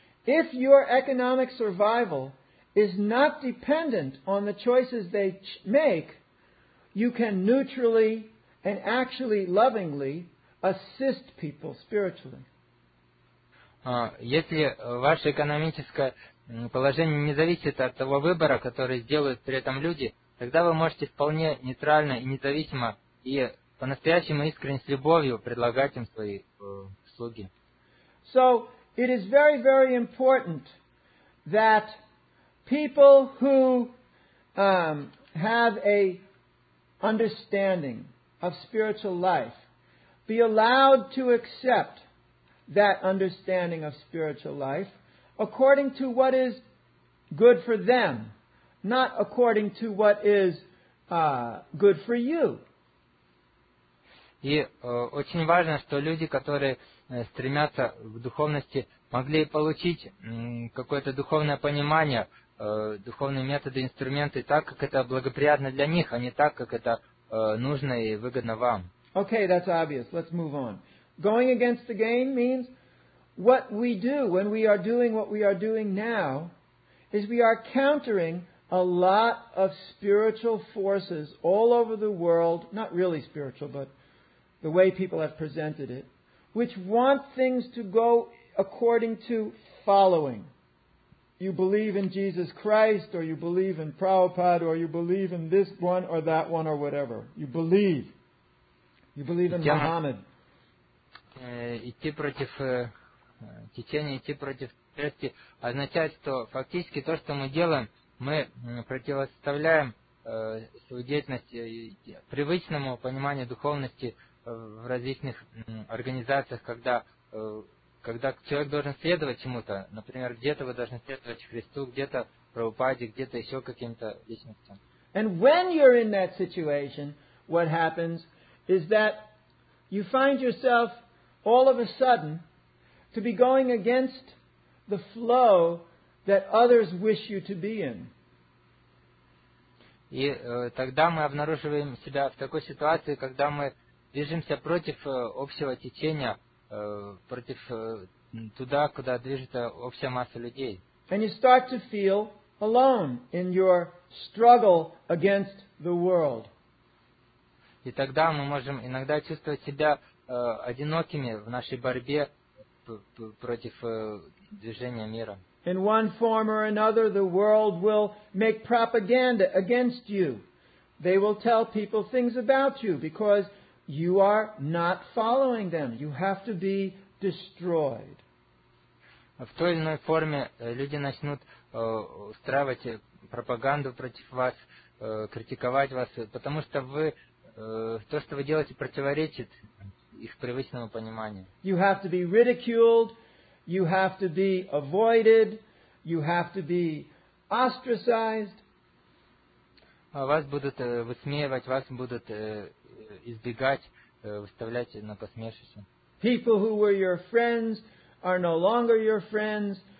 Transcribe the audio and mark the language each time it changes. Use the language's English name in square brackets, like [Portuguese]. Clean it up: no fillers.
[English] If your economic survival is not dependent on the choices they make, you can neutrally and actually lovingly assist people spiritually. [Russian] Если ваше экономическое положение не зависит от того выбора, который сделают при этом люди, тогда вы можете вполне нейтрально и независимо и по-настоящему искренне с любовью предлагать им свои услуги. [English] So, it is very, very important that people who have a understanding of spiritual life be allowed to accept that understanding of spiritual life according to what is good for them, not according to what is good for you. [Russian] И очень важно, что люди, которые стремятся к духовности, могли получить какое-то духовное понимание, духовные методы, инструменты так, как это благоприятно для них, а не так, как это нужно и выгодно вам. [English] Okay, that's obvious. Let's move on. Going against the grain means what we do when we are doing what we are doing now is we are countering a lot of spiritual forces all over the world, not really spiritual, but the way people have presented it, which want things to go according to following. You believe in Jesus Christ, or you believe in Prabhupada, or you believe in this one or that one or whatever. You believe. You believe in Muhammad. [Russian] Идти против течения, идти против церкви означает, что фактически то, что мы делаем, мы противопоставляем свою деятельность привычному пониманию духовности в различных организациях, когда человек должен следовать чему-то, например, где-то вы должны следовать Христу, где-то Прабхупаде, где-то еще каким-то личностям. [English] And when you're in that situation, what happens is that you find yourself all of a sudden to be going against the flow that others wish you to be in. [Russian] И тогда мы обнаруживаем себя в такой ситуации, когда мы движемся против общего течения, против туда, куда движется общая масса людей. [English] And you start to feel alone in your struggle against the world. [Russian] И тогда мы можем иногда чувствовать себя одинокими в нашей борьбе против движения мира. [English] In one form or another, the world will make propaganda against you. They will tell people things about you because you are not following them. You have to be destroyed. [Russian] В той или иной форме люди начнут устраивать пропаганду против вас, критиковать вас, потому что вы то, что вы делаете, противоречит их привычному пониманию. [English] You have to be ridiculed, you have to be avoided, you have to be ostracized. [Russian] Вас будут высмеивать, вас будут избегать, выставлять на посмешище. [English] People who were your friends are no longer your friends.